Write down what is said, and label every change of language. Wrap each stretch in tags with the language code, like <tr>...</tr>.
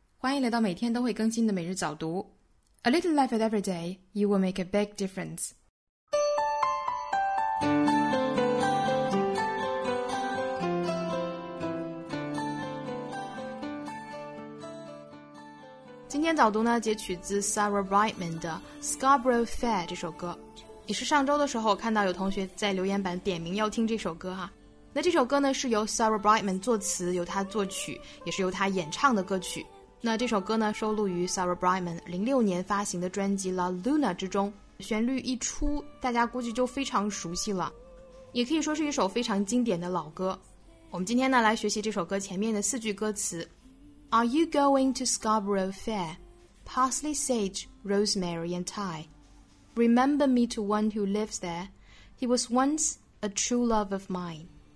<zh>欢迎来到每天都会更新的每日早读。</zh> <en>A little effort every day, you will make a big difference.</en> <zh>今天早读呢，截取自 Sarah Brightman 的 Scarborough Fair 这首歌。也是上周的时候看到有同学在留言板点名要听这首歌哈。那这首歌呢是由 Sarah Brightman 作词，由她作曲，也是由她演唱的歌曲。那这首歌呢收录于 Sarah Brightman 06年发行的专辑 La Luna 之中。旋律一出，大家估计就非常熟悉了，也可以说是一首非常经典的老歌。我们今天呢来学习这首歌前面的四句歌词。</zh> <en>Are you going to Scarborough Fair? Parsley, sage, rosemary, and thyme. Remember me to one who lives there. He was once a true love of mine.</en>